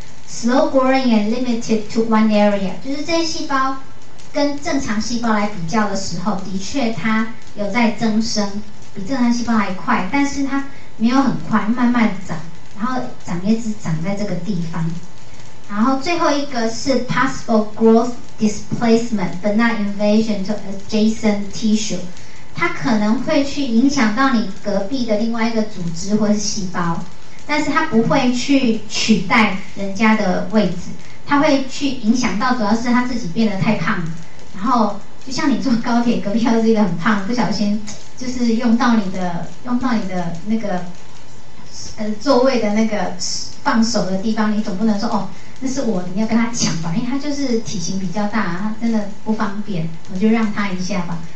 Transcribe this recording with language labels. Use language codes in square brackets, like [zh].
[en] Slow growing and limited to one area， [zh] 就是这些细胞跟正常细胞来比较的时候，的确它有在增生，比正常细胞还快，但是它没有很快，慢慢长，然后长也只长在这个地方。然后最后一个是 [en] possible growth displacement, but not invasion to adjacent tissue. [zh] 它可能会去影响到你隔壁的另外一个组织或是细胞，但是它不会去取代人家的位置。它会去影响到，主要是它自己变得太胖，然后就像你坐高铁，隔壁又是一个很胖，不小心就是用到你的那个座位的那个放手的地方，你总不能说哦那是我，你要跟他抢吧，因为他就是体型比较大，他真的不方便，我就让他一下吧。